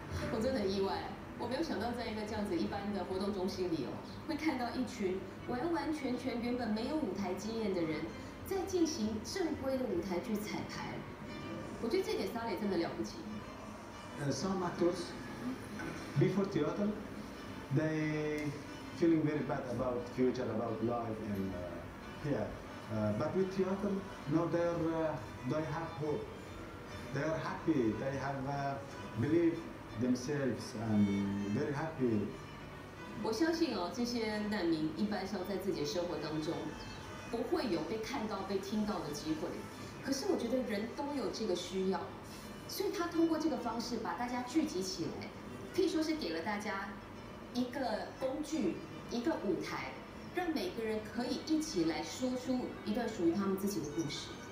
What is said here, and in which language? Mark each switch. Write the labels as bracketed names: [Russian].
[Chinese] 我真的很意外，我没有想到在一个这样子一般的活动中心里哦，会看到一群完完全全原本没有舞台经验的人在进行正规的舞台剧彩排。我觉得这点萨勒真的了不起。 [English] Some actors before theater they feeling very bad about future, about life and but with theater now they have hope, they are happy, they have believethemselves and very happy. [Chinese] 我相信哦，这些难民一般上在自己的生活当中不会有被看到、被听到的机会。可是我觉得人都有这个需要，所以他通过这个方式把大家聚集起来，可以说是给了大家一个工具、一个舞台，让每个人可以一起来说出一段属于他们自己的故事。